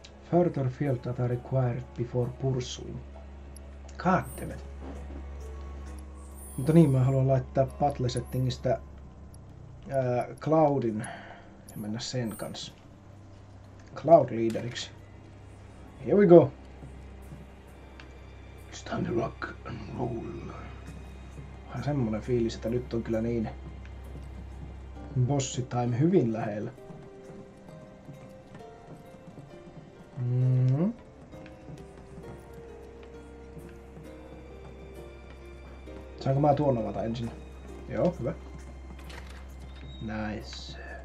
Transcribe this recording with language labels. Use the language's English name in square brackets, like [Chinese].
[English] Further field data required before pursuing. God damn it. [Finnish] Mutta niin, mä haluan laittaa battle settingistä Cloudin ja mennä sen kanssa. Cloud leaderiksi. [English] Here we go. It's time to rock and roll. [Finnish] Vähän semmonen fiilis, että nyt on kyllä niin bossi time hyvin lähellä. Saanko mä tuon avata ensin? Joo, hyvä. Nice.